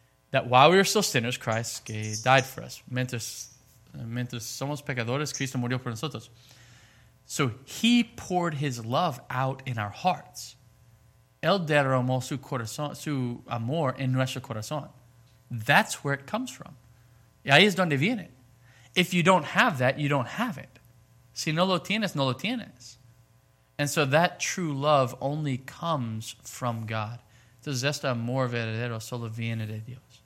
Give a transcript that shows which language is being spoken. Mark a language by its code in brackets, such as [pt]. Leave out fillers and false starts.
[en] That while we were still sinners, Christ died for us. [es] Mientras somos pecadores, Cristo murió por nosotros. [en] So he poured his love out in our hearts. [es] Él derramó su corazón, su amor en nuestro corazón. [en] That's where it comes from. [es] Y ahí es donde viene. [en] If you don't have that, you don't have it. [es] Si no lo tienes, no lo tienes. [en] And so that true love only comes from God. [es] Entonces, este amor verdadero solo viene de Dios.